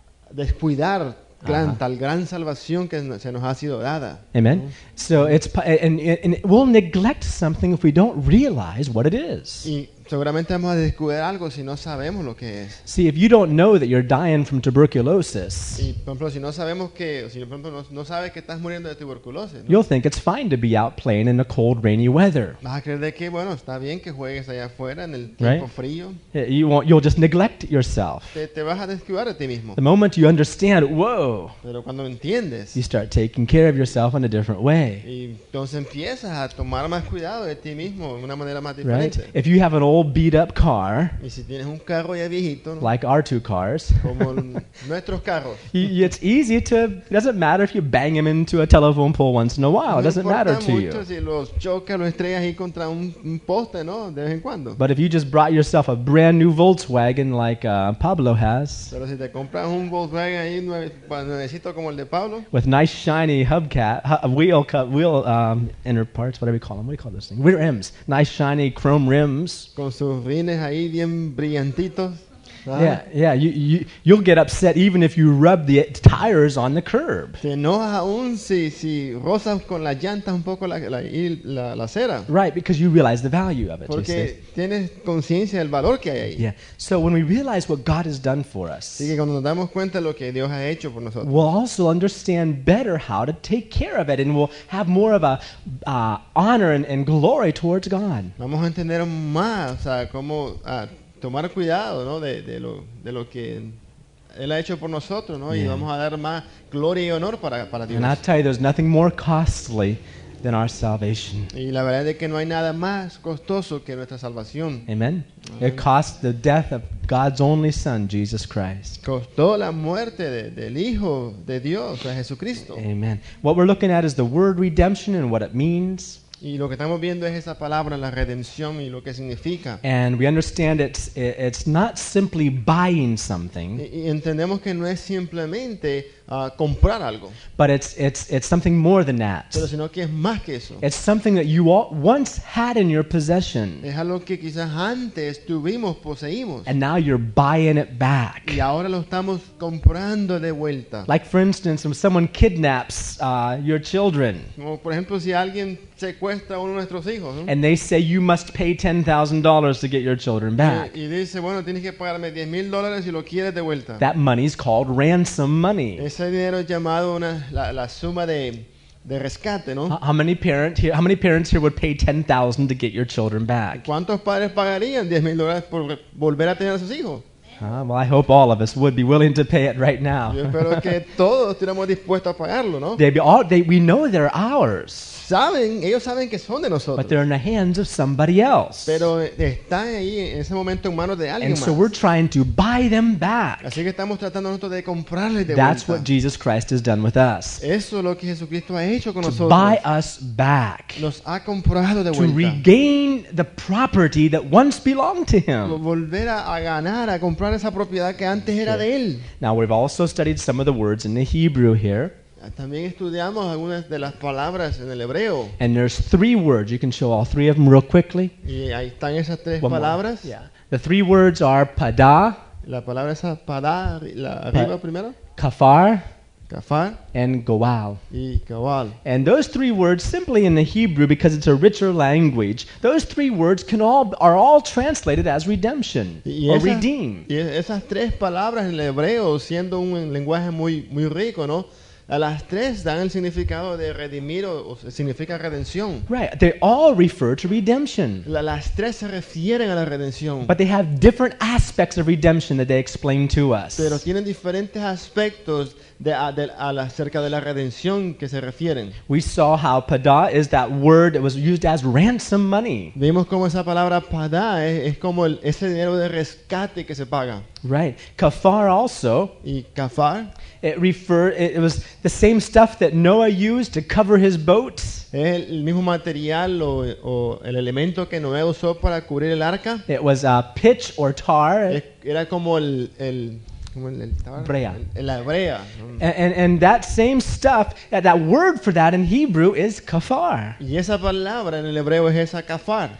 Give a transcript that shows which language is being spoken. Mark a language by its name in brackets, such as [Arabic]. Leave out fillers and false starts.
[Spanish] Descuidar gran, tal gran salvación que se nos ha sido dada. [English] Amen. So it's and we'll neglect something if we don't realize what it is. [Spanish] Y seguramente vamos a descuidar algo si no sabemos lo que es. [English] See, if you don't know that you're dying from tuberculosis. [Spanish] Y por ejemplo, si no sabemos que, si por ejemplo no sabes que estás muriendo de tuberculosis. ¿No? [English] You'll think it's fine to be out playing in the cold, rainy weather. [Spanish] Vas a creer de que bueno, está bien que juegues allá afuera en el [English] right? [Spanish] tiempo frío. [English] You'll just neglect yourself. [Spanish] Te vas a descuidar de ti mismo. [English] The moment you understand, whoa. [Spanish] Pero cuando entiendes. [English] You start taking care of yourself in a different way. [Spanish] Y entonces empiezas a tomar más cuidado de ti mismo de una manera más diferente. [English] Right? If you have an old beat up car, [Spanish] y si tienes un carro ya viejito, ¿no? [English] Like our two cars, [Spanish] como nuestros carros. [English] It's easy to, it doesn't matter if you bang him into a telephone pole once in a while, it doesn't matter to you. [Spanish] Si los choca, los estrellas ahí contra un poste, ¿no? De vez en cuando. [English] But if you just brought yourself a brand new Volkswagen like Pablo has, [Spanish] pero si te compras un Volkswagen ahí nuevecito como el de Pablo, [English] with nice shiny wheel inner parts, whatever you call them, what do you call those things? Rear rims, nice shiny chrome rims. [Spanish] Con sus rines ahí bien brillantitos. ¿Sabes? [English] Yeah. You'll get upset even if you rub the tires on the curb. [Spanish] Te enojas aún si rozas con las llantas un poco la acera. [English] Right, because you realize the value of it. [Spanish] Porque tienes conciencia del valor que hay ahí. [English] Yeah. So when we realize what God has done for us, [Spanish] así que cuando nos damos cuenta de lo que Dios ha hecho por nosotros, [English] we'll also understand better how to take care of it, and we'll have more of a honor and glory towards God. [Spanish] Vamos a entender más, o sea, cómo tomar cuidado, ¿no? De lo que él ha hecho por nosotros, ¿no? [English] Yeah. [Spanish] Y vamos a dar más gloria y honor para Dios. [English] And I tell you, there's nothing more costly than our salvation. [Spanish] Y la verdad es que no hay nada más costoso que nuestra salvación. [English] Amen. It cost the death of God's only Son, Jesus Christ. [Spanish] Costó la muerte del Hijo de Dios, de Jesucristo. [English] Amen. What we're looking at is the word redemption and what it means. [Spanish] Y lo que estamos viendo es esa palabra, la redención y lo que significa. [English] And we understand it's not simply buying something. [Spanish] Y entendemos que no es simplemente comprar algo. [English] But it's something more than that. [Spanish] Pero sino que es más que eso. [English] It's something that you once had in your possession. [Spanish] Es algo que quizás antes tuvimos, poseímos. [English] And now you're buying it back. [Spanish] Y ahora lo estamos comprando de vuelta. [English] Like for instance, if someone kidnaps your children. [Spanish] Como por ejemplo, si alguien secuestra a uno de nuestros hijos, ¿no? [English] And they say you must pay $10,000 to get your children back. [Spanish] Y dice, bueno, tienes que pagarme $10,000 si lo quieres de vuelta. [English] That money is called ransom money. [Spanish] Ese dinero es llamado la suma de rescate, ¿no? [English] How many parents here would pay $10,000 to get your children back? [Spanish] ¿Cuántos padres pagarían $10,000 por volver a tener a sus hijos? [English] Well, I hope all of us would be willing to pay it right now. [Spanish] Yo espero que todos estemos dispuestos a pagarlo, ¿no? [English] We know they're ours. [Spanish] Ellos saben que son de nosotros. [English] But they're in the hands of somebody else. [Spanish] Pero están ahí en ese momento en manos de alguien más. [English] And so we're trying to buy them back. [Spanish] Así que estamos tratando nosotros de comprarles de vuelta. [English] That's what Jesus Christ has done with us. [Spanish] Eso es lo que Jesucristo ha hecho con nosotros. [English] To buy us back. [Spanish] Nos ha comprado de vuelta. [English] To regain the property that once belonged to him. [Spanish] Volver a ganar, a comprar esa propiedad que antes era de él. [English] Now we've also studied some of the words in the Hebrew here. [Spanish] También estudiamos algunas de las palabras en el hebreo. [English] And there's three words. You can show all three of them real quickly. [Spanish] Y ahí están esas tres palabras. [English] Yeah. The three words are pada. [Spanish] La palabra esa pada, la arriba primero. [English] Kafar. [Spanish] Kafar. [English] And goal. [Spanish] Y goal. [English] And those three words, simply in the Hebrew, because it's a richer language, those three words are all translated as redemption or redeem. [Spanish] Y esas tres palabras en el hebreo, siendo un lenguaje muy rico, ¿no? A las tres dan el significado de redimir o significa redención. [English] Right, they all refer to redemption. [Spanish] Las tres se refieren a la redención. [English] But they have different aspects of redemption that they explain to us. [Spanish] Pero tienen diferentes aspectos acerca de la redención que se refieren. [English] We saw how pada is that word that was used as ransom money. [Spanish] Vimos cómo esa palabra pada es como ese dinero de rescate que se paga. [English] Right, kafar also. [Spanish] Y kafar. [English] It was the same stuff that Noah used to cover his boats. [Spanish] El mismo material o el elemento que Noé usó para cubrir el arca. [English] It was pitch or tar. [Spanish] Era como el tar. Brea. La brea. [English] And that same stuff, that word for that in Hebrew is kafar. [Spanish] Y esa palabra en el hebreo es esa kafar.